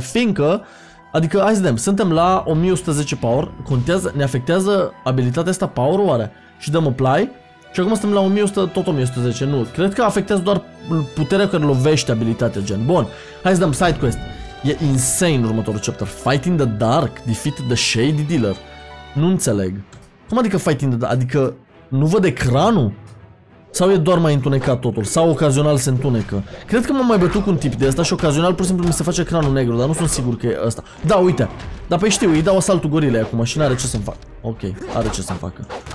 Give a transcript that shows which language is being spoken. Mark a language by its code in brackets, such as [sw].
[ro] Fiindcă, adică, hai să vedem, suntem la 1110 power. Contează, ne afectează abilitatea asta power-ul oare? Și dăm apply. Și acum suntem la 1110, nu. Cred că afectează doar puterea care lovește abilitatea, gen. Bun, hai să dăm side quest. E insane următorul chapter. [en] Fight in the dark, defeat the shade dealer. [ro] Nu înțeleg. Cum adică [en] fight in the dark? [ro] Adică nu văd ecranul? Sau e doar mai întunecat totul? Sau ocazional se întunecă? Cred că m-am mai bătut cu un tip de ăsta și ocazional pur și simplu mi se face ecranul negru, dar nu sunt sigur că e ăsta. Da, uite. Dar păi știu, îi dau asaltul gorilei acum și n-are ce să-mi fac. Ok, are ce să-mi facă.